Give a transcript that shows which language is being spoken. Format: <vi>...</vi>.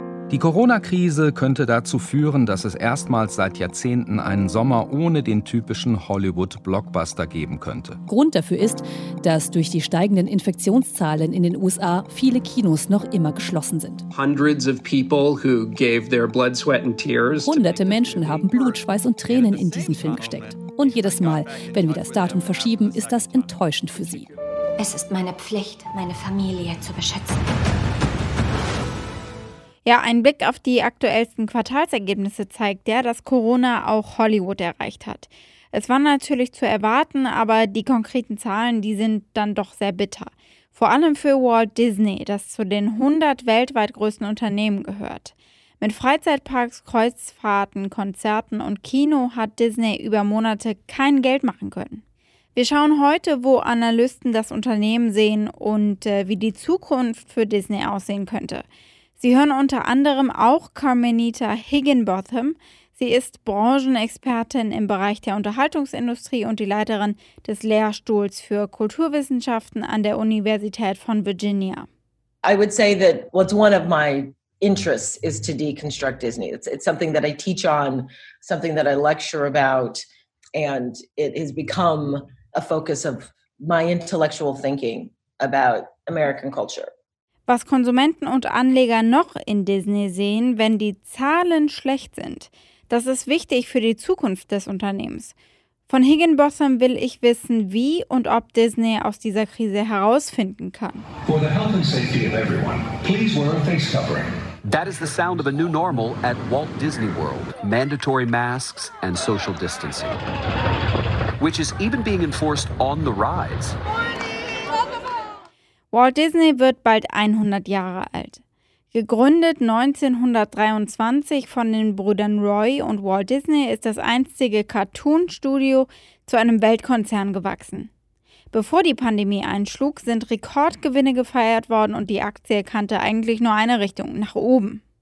<de>Die Corona-Krise könnte dazu führen, dass es erstmals seit Jahrzehnten einen Sommer ohne den typischen Hollywood-Blockbuster geben könnte. Grund dafür ist, dass durch die steigenden Infektionszahlen in den USA viele Kinos noch immer geschlossen sind.</de> <en>Hundreds of people who gave their blood, sweat and tears.</en> <de>Hunderte Menschen haben Blut, Schweiß und Tränen in diesen Film gesteckt. Und jedes Mal, wenn wir das Datum verschieben, ist das enttäuschend für sie. Es ist meine Pflicht, meine Familie zu beschützen. Ja, ein Blick auf die aktuellsten Quartalsergebnisse zeigt ja, dass Corona auch Hollywood erreicht hat. Es war natürlich zu erwarten, aber die konkreten Zahlen, die sind dann doch sehr bitter. Vor allem für Walt Disney, das zu den 100 weltweit größten Unternehmen gehört. Mit Freizeitparks, Kreuzfahrten, Konzerten und Kino hat Disney über Monate kein Geld machen können. Wir schauen heute, wo Analysten das Unternehmen sehen und wie die Zukunft für Disney aussehen könnte. Sie hören unter anderem auch Carmenita Higginbotham. Sie ist Branchenexpertin im Bereich der Unterhaltungsindustrie und die Leiterin des Lehrstuhls für Kulturwissenschaften an der Universität von Virginia.</de> <en>I would say that what's one of my interests is to deconstruct Disney. It's something that I teach on, something that I lecture about, and it has become a focus of my intellectual thinking about American culture.</en> <de>Was Konsumenten und Anleger noch in Disney sehen, wenn die Zahlen schlecht sind, das ist wichtig für die Zukunft des Unternehmens. Von Higginbotham will ich wissen, wie und ob Disney aus dieser Krise herausfinden kann.</de> <en>For the health and safety of everyone, please wear a face covering. That is the sound of a new normal at Walt Disney World. Mandatory masks and social distancing. Which is even being enforced on the rides.</en> <de>Walt Disney wird bald 100 Jahre alt. Gegründet 1923 von den Brüdern Roy und Walt Disney ist das einstige Cartoon-Studio zu einem Weltkonzern gewachsen. Bevor die Pandemie einschlug, sind Rekordgewinne gefeiert worden und die Aktie kannte eigentlich nur eine Richtung, nach oben.</de>